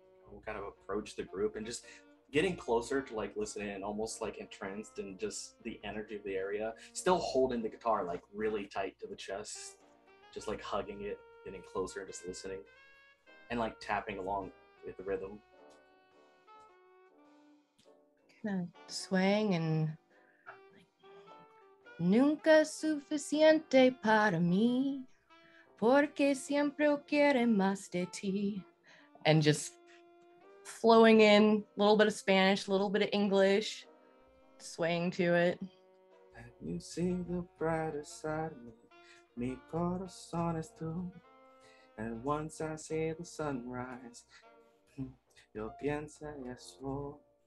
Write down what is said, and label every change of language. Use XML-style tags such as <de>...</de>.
<en>We'll kind of approach the group and just getting closer to like listen in, almost like entranced in just the energy of the area, still holding the guitar like really tight to the chest, just like hugging it, getting closer, just listening and like tapping along with the rhythm. Kind of swaying and like,</en> <es>nunca suficiente para mí, porque siempre quiero más de ti.</es> <en>And just flowing in a little bit of Spanish, a little bit of English, swaying to it. You see the brighter side of me,</en> <es>mi corazón es tú.</es> <en>And once I see the sunrise,</en> <es>yo pienso eso.</es>